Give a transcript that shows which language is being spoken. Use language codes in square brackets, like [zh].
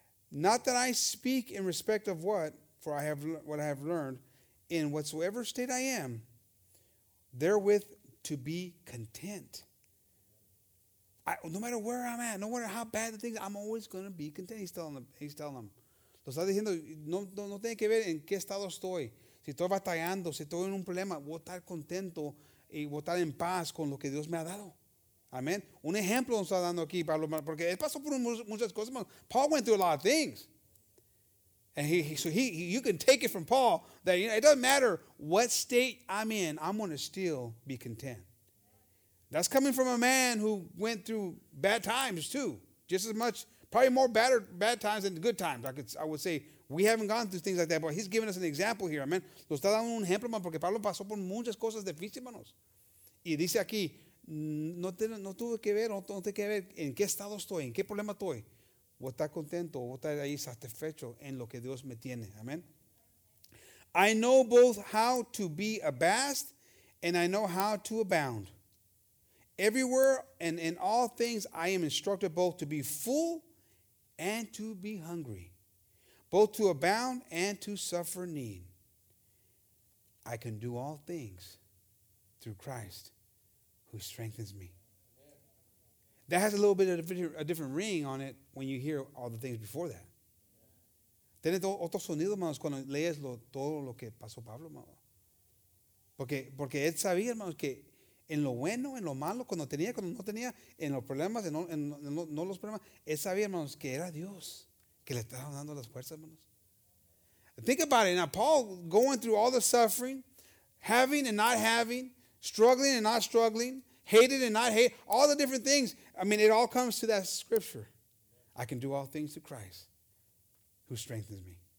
[en] Not that I speak in respect of what, for I have what I have learned, in whatsoever state I am, therewith to be content. No matter where I'm at, no matter how bad the things, I'm always going to be content. He's telling them. [es] Lo está diciendo, no tiene que ver en qué estado estoy. Si estoy batallando, si estoy en un problema, voy a estar contento y voy a estar en paz con lo que Dios me ha dado. Amén. Un ejemplo nos está dando aquí, Pablo, porque él pasó por muchas cosas. [en] Paul went through a lot of things. And he you can take it from Paul that, you know, it doesn't matter what state I'm in, I'm going to still be content. That's coming from a man who went through bad times too, just as much, probably more bad times than good times. I would say we haven't gone through things like that, but he's giving us an example here. Amen. [es] Lo está dando un ejemplo, man, porque Pablo pasó por muchas cosas difíciles, manos. Y dice aquí, no tuve que ver en qué estado estoy, en qué problema estoy. Voy a estar contento, voy a estar ahí satisfecho en lo que Dios me tiene. Amen. [en] I know both how to be abased and I know how to abound. Everywhere and in all things, I am instructed both to be full and to be hungry, both to abound and to suffer need. I can do all things through Christ who strengthens me. That has a little bit of a different ring on it when you hear all the things before that. [es] Tiene otro sonido, hermanos, cuando lees todo lo que pasó Pablo, hermano. Porque él sabía, hermanos, que en lo bueno, en lo malo, cuando no tenía, en los problemas, en no los problemas, él sabía, hermanos, que era Dios que le estaba dando las fuerzas, hermanos. [en] Think about it. Now, Paul going through all the suffering, having and not having, struggling and not struggling, hated and not hated, all the different things. I mean, it all comes to that scripture. I can do all things through Christ who strengthens me.